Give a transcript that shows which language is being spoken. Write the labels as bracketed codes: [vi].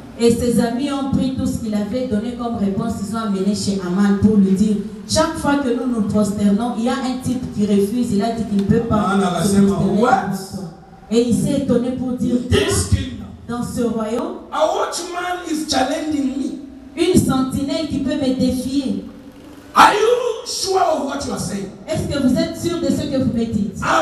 [fr] Et ses amis ont pris tout ce qu'il avait donné comme réponse, ils ont amené chez Aman pour lui dire chaque fois que nous nous prosternons il y a un type qui refuse, il a dit qu'il ne peut pas. [sw] Aman anasema what? [fr] Et il s'est étonné pour dire [en] this [fr] dans ce royaume [en] a watchman is challenging me. [fr] Une sentinelle qui peut me défier. [en] Are you sure of what you are saying? [fr] Est-ce que vous êtes sûr de ce que vous me dites?